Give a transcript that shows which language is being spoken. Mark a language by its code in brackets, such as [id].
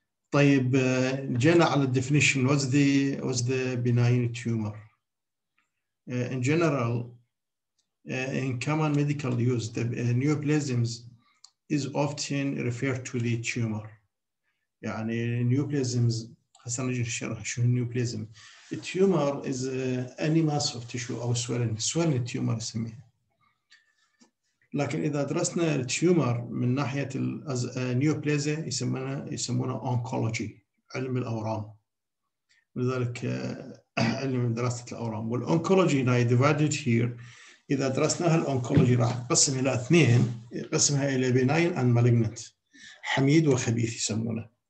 [ar] طيب، جينا على الديفينيشن. [en] What's the benign tumor? In general, in common medical use, the neoplasms is often referred to the tumor. [ar] يعني neoplasms، حسنا نجي نشرح شو النيوبلازم. [en] التيومر is any mass of tissue [ar] أو [en] swelling. Swelling tumor اسميها. [ar] لكن إذا درسنا التيومر من ناحية النيوبليزيا يسمونه أونكولوجي، علم الأورام. لذلك علم دراسة الأورام والأونكولوجي [en] now divided here. [ar] إذا درسناها الأونكولوجي راح تقسم إلى اثنين، قسمها إلى [en] benign and malignant، [ar] حميد وخبيث يسمونه.